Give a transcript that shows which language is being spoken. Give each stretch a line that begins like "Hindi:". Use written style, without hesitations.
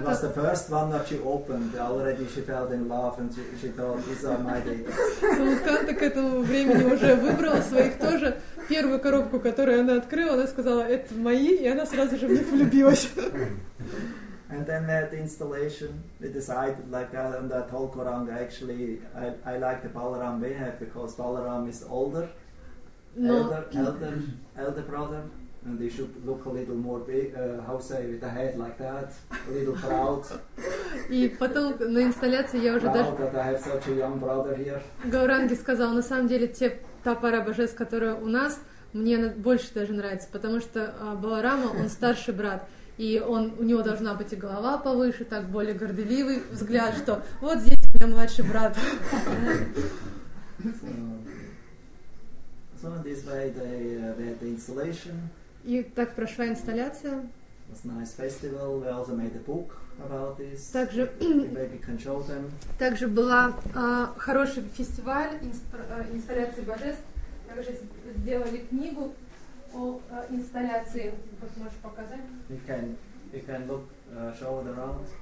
English: It was the first one that she opened. Already she fell in love and she thought these are my dates.
Russian: Самудханта к этому времени уже выбрала своих тоже. Первую коробку, которую она открыла, она сказала, это мои, и она сразу же в них влюбилась.
English: And then at the installation, we decided, like on that whole Koranga, actually, I like the Balaram we have, because Balaram is older, elder brother. And they should look a little more big, how say, with a head like that, a little proud.
Russian: И потом на инсталляции я уже даже...
English: Proud that I have such a young brother here.
Russian: Гауранги сказал, на самом деле, те, та пара божеств, которая у нас, мне больше даже нравится, потому что Баларама, он старший брат, и он, у него должна быть и голова повыше, так более горделивый взгляд, что вот здесь у меня младший брат.
English: So in this way they had the installation.
Russian: И так прошла инсталляция.
English: It was a nice festival. We also made a book about this.
Russian: Также,
English: maybe can show them.
Russian: Также была хороший фестиваль инсталляции божеств. Также сделали книгу о инсталляции. Вот можешь показать.
English: You can look, show it around.